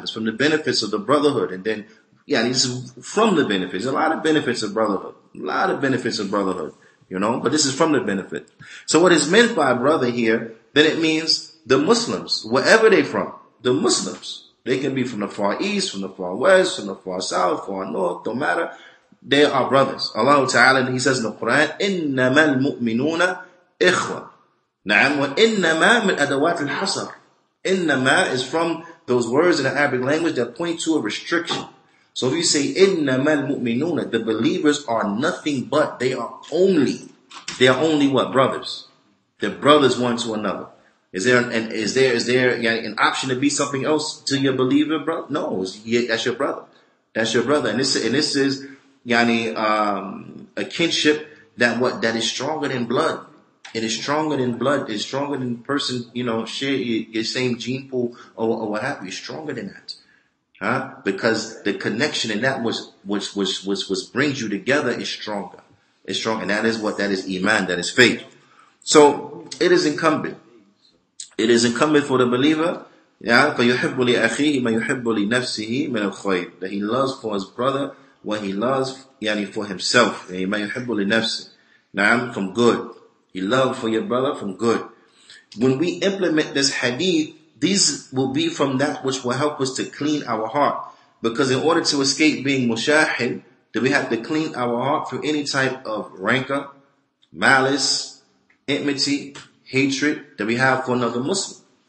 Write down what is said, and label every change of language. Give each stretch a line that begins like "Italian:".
English: It's from the benefits of the brotherhood. And then, yeah, this is from the benefits. A lot of benefits of brotherhood. A lot of benefits of brotherhood, you know. But this is from the benefit. So what is meant by brother here, then it means the Muslims, wherever they're from, the Muslims. They can be from the Far East, from the Far West, from the Far South, Far North, don't matter. they are brothers. Allah Ta'ala, He says in the Quran,
Arabic: إِنَّمَا الْمُؤْمِنُونَ إِخْوَةٌ نَعَمْ وَإِنَّمَا مِنْ أَدَوَاتِ الْحَصَرِ.
English: إِنَّمَا is from those words in the Arabic language that point to a restriction. So if you say,
Arabic: إِنَّمَا الْمُؤْمِنُونَ,
English: the believers are nothing but, they are only what? Brothers. They're brothers one to another. Is there an option to be something else to your believer, bro? No, that's your brother. That's your brother. And this is, a kinship that is stronger than blood. It is stronger than blood. It's stronger than person, share your same gene pool or what have you. Stronger than that. Huh? Because the connection and that was brings you together is stronger. It's strong. And that is what, that is iman, that is faith. So it is incumbent. It is incumbent for the believer. Yeah,
Arabic: فَيُحِبُّ لِأَخِيهِ مَا يُحِبُّ لِنَفْسِهِ مِنَ الْخَيْرِ,
English: that he loves for his brother what he loves, for himself.
Arabic: مَا يُحِبُّ لِنَفْسِهِ, نعم,
English: from good. You love for your brother from good. When we implement this hadith, these will be from that which will help us to clean our heart. Because in order to escape being mushahid, that we have to clean our heart from any type of rancor, malice, enmity, hatred that we have for another Muslim.